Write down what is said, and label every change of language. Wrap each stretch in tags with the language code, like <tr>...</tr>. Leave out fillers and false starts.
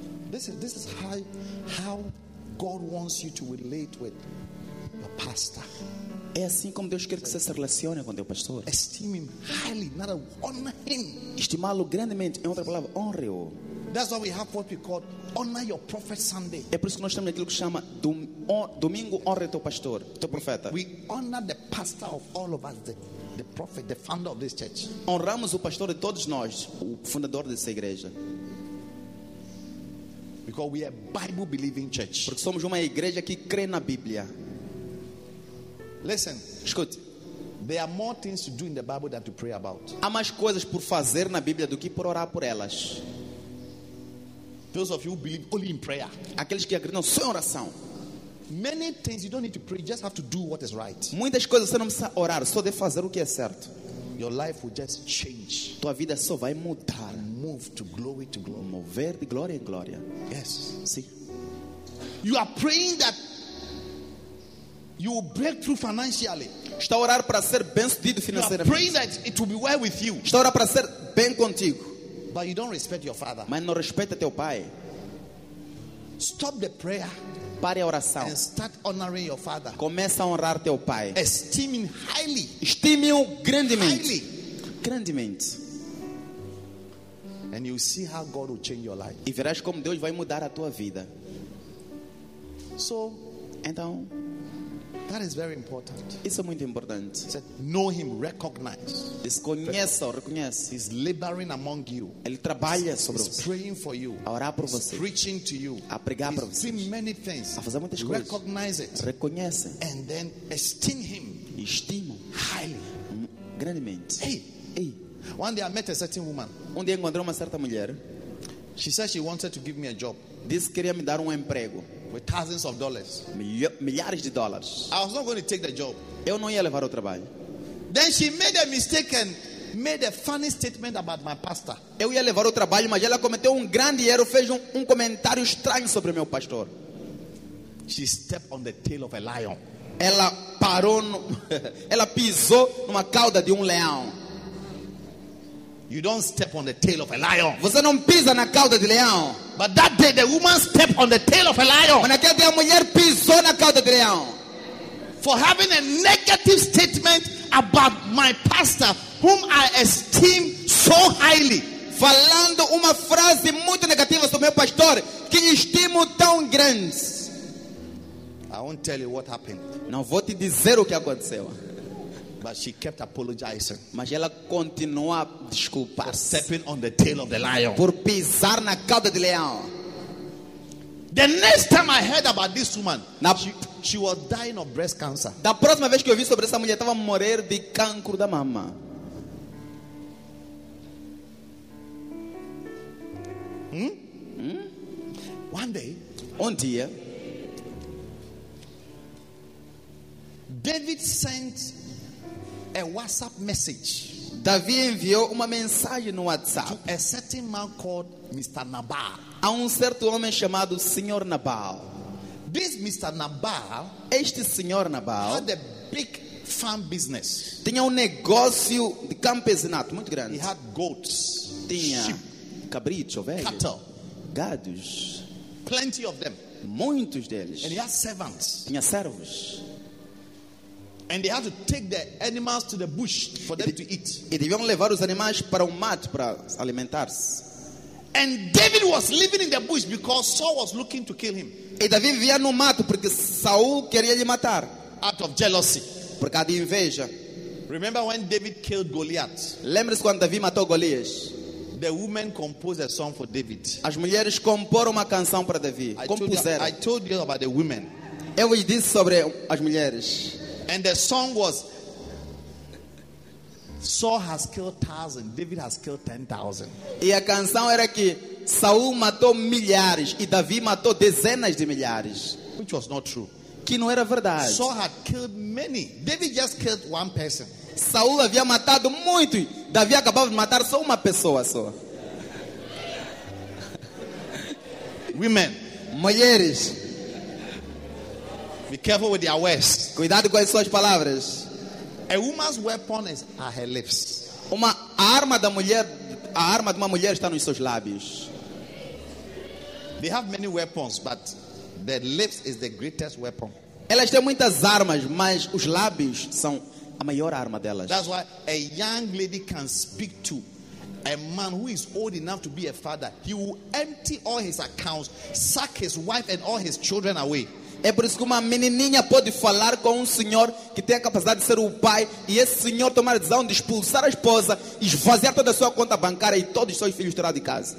<en>This is how God wants you to relate with your pastor.</en> <pt>É assim como Deus quer que você se relacione com o teu pastor.</pt> <en>Esteem him highly, not honor him.</en> <pt>Estimá-lo grandemente, em outra palavra, honre-o.</pt> <en>That's why we have what we call honor your prophet Sunday.</en> <pt>É por isso que nós temos aquilo que chama domingo honre teu pastor, teu profeta.</pt> <en>We honor the pastor of all of us, the prophet, the founder of this church.</en> <pt>Honramos o pastor de todos nós, o fundador dessa igreja.</pt> <en>Because we are Bible believing church.</en> <pt>Porque somos uma igreja que crê na Bíblia.</pt> <en>Listen,</en> <pt>escute.</pt> <en>There are more things to do in the Bible than to pray about.</en> <pt>Há mais coisas por fazer na Bíblia do que por orar por elas.</pt> <en>Those of you who believe only in prayer.</en> <pt>Aqueles que acreditam só em oração.</pt> <en>Many things you don't need to pray, you just have to do what is right.</en> <pt>Muitas coisas você não precisa orar, só de fazer o que é certo.</pt> <en>Your life will just change.</en> <pt>Tua vida só vai mudar.</pt> <en>And move to glory to glory.</en> <pt>Mover de glória em glória.</pt> <en>Yes. See. You are praying that you will break through financially.</en> <pt>Está a orar para ser bem-sucedido financeiramente.</pt> <en>You are praying that it will be well with you.</en> <pt>Está a orar para ser bem contigo.</pt> <en>But you don't respect your father.</en> <pt>Mas não respeita teu pai.</pt> <en>Stop the prayer.</en> <pt>Pare a oração.</pt> <en>And start honoring your father.</en> <pt>Começa a honrar teu pai.</pt> <en>Esteeming highly.</en> <pt>Estime-o grandemente.</pt> <en>Highly.</en> <pt>Grandemente.</pt> <en>And you see how God will change your life.</en> <pt>E verás como Deus vai mudar a tua vida.</pt> <en>So,</en> <pt>então,</pt> <en>that is very important.</en> <pt>Isso é muito importante.</pt> <en>He said, know him, recognize.</en> <pt>Desconheça-o, reconhece.</pt> <en>He's laboring among you.</en> <pt>Ele trabalha sobre você.</pt> <en>He's praying for you.</en> <pt>A orar por você.</pt> <en>Preaching to you.</en> <pt>A pregar para você.</pt> <en>Doing many things.</en> <pt>A fazer muitas</pt> <en>recognize</en> <pt>coisas.</pt> <en>It.</en> <pt>Reconhece.</pt> <en>And then esteem him.</en> <pt>Estimo.</pt> <en>Highly.</en> <pt>Grandemente.</pt> <en>Hey. One day I met a certain woman.</en> <pt>Um dia encontrei uma certa mulher.</pt> <en>She said she wanted to give me a job.</en> <pt>Disse queria me dar emprego.</pt> <en>With thousands of dollars.</en> <pt>Milhares de dólares.</pt> <en>I was not going to take the job.</en> <pt>Eu não ia levar o trabalho.</pt> <en>Then she made a mistake and made a funny statement about my pastor.</en> <pt>Eu ia levar o trabalho, mas ela cometeu um grande erro, fez um comentário estranho sobre meu pastor.</pt> <en>She stepped on the tail of a lion.</en> <pt>Ela parou no, ela pisou numa cauda de um leão.</pt> <en>You don't step on the tail of a lion.</en> <pt>Você não pisa na cauda de leão.</pt> <en>But that day the woman stepped on the tail of a lion.</en> <pt>Mas naquele dia a mulher pisou na cauda de leão.</pt> <en>For having a negative statement about my pastor, whom I esteem so highly.</en> <pt>Falando uma frase muito negativa sobre meu pastor, que estimo tão grande.</pt> <en>I won't tell you what happened.</en> <pt>Não vou te dizer o que aconteceu.</pt> <en>But she kept apologizing.</en> <pt>Mas ela continuou a desculpar.</pt> <en>Stepping on the tail of the lion.</en> <pt>Por pisar na cauda de leão.</pt> <en>The next time I heard about this woman, she was dying of breast cancer.</en> <pt>Da próxima vez que eu vi sobre essa mulher, estava a morrer de câncer da mama.</pt> <en>One day,</en> <pt>um dia,</pt> <en>David sent a WhatsApp message.</en> <pt>Davi enviou uma mensagem no WhatsApp.</pt> <en>To a certain man called Mr. Nabal.</en> <pt>A certo homem chamado Senhor Nabal.</pt> <en>This Mr. Nabal,</en> <pt>este Senhor Nabal,</pt> <en>had a big farm business.</en> <pt>Tinha negócio de campesinato muito grande.</pt> <en>He had goats.</en> <pt>Tinha</pt> <en>sheep,</en> <pt>cabrito, velho,</pt> <en>cattle,</en> <pt>gados.</pt> <en>Plenty of them.</en> <pt>Muitos deles.</pt> <en>And he had servants.</en> <pt>Tinha servos.</pt> <en>And they had to take the animals to the bush for them to eat.</en> <pt>E deviam levar os animais para o mato para alimentar-se.</pt> <en>And David was living in the bush because Saul was looking to kill him.</en> <pt>E Davi vivia no mato porque Saul queria lhe matar.</pt> <en>Out of jealousy.</en> <pt>Por causa de inveja.</pt> <en>Remember when David killed Goliath?</en> <pt>Lembra-se quando Davi matou Golias?</pt> <en>The woman composed a song for David.</en> <pt>As mulheres comporam uma canção para Davi. Compuseram.</pt> <en>I told you about the women.</en> <pt>Eu lhe disse sobre as mulheres.</pt> <en>And the song was, Saul has killed 1,000, David has killed 10,000.</en> <pt>E a canção era que Saul matou milhares e Davi matou dezenas de milhares.</pt> <en>Which was not true.</en> <pt>Que não era verdade.</pt> <en>Saul had killed many, David just killed one person.</en> <pt>Saul havia matado muito e Davi acabava de matar só uma pessoa só.</pt> <en>Women.</en> <pt>Mulheres.</pt> <en>Be careful with your words.</en> <pt>Cuidado com as suas palavras.</pt> <en>A woman's weapon is are her lips.</en> <pt>Uma arma da mulher, a arma de uma mulher está nos seus lábios.</pt> <en>They have many weapons, but the lips is the greatest weapon.</en> <pt>Elas têm muitas armas, mas os lábios são a maior arma delas.</pt> <en>That's why a young lady can speak to a man who is old enough to be a father. He will empty all his accounts, sack his wife and all his children away.</en> <pt>É por isso que uma menininha pode falar com um senhor que tem a capacidade de ser o pai e esse senhor tomar a decisão de expulsar a esposa, esvaziar toda a sua conta bancária e todos os seus filhos tirar de casa.</pt>